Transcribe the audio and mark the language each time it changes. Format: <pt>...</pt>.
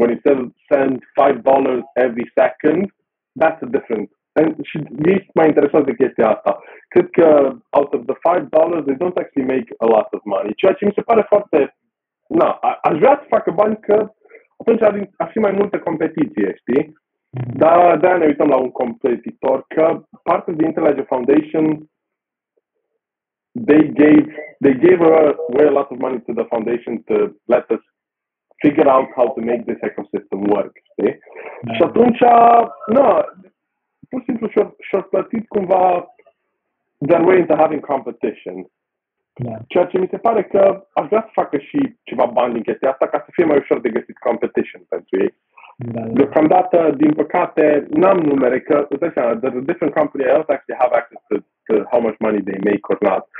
<en>When you send $5 every second, that's a different.</en> <ro>Și ești mai interesat de chestia asta. Cred că</ro> <en>out of the $5, they don't actually make a lot of money.</en> <ro>Ceea ce mi se pare foarte... Na, aș vrea să facă bani că atunci ar fi mai multă competiție, știi? Dar de-aia ne uităm la un competitor că parte din Interledger Foundation</ro> <en>they gave away a lot of money to the foundation to let us figure out how to make this ecosystem work, știi?</en> <ro>Și atunci, no, pur și simplu și-a plătit cumva</ro> <en>their way into having competition. Yeah.</en> <ro>Ceea ce mi se pare că aș vrea să facă și ceva bani din chestia asta ca să fie mai ușor de găsit competition pentru ei. Deocamdată, din păcate, n-am numere, că îți dai seama,</ro> <en>there's a different company, I don't actually have access to how much money they make or not.</en>